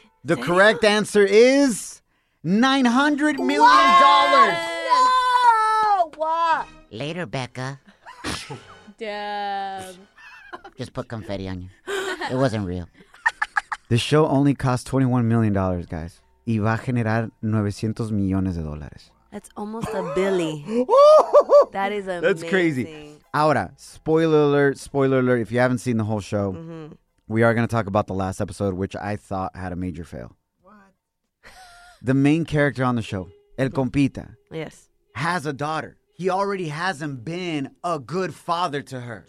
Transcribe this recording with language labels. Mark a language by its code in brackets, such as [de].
[en] The damn correct answer is $900 million. What? No! Later, Becca. Damn. Just put confetti on you. It wasn't real. The show only cost $21 million, guys. [es] Y va a generar 900 millones de dólares. [en] That's almost a billy. That is amazing. That's crazy. [es] Ahora, [en] spoiler alert, if you haven't seen the whole show, we are going to talk about the last episode, which I thought had a major fail. What? The main character on the show, El Compita, yes, has a daughter. He already hasn't been a good father to her.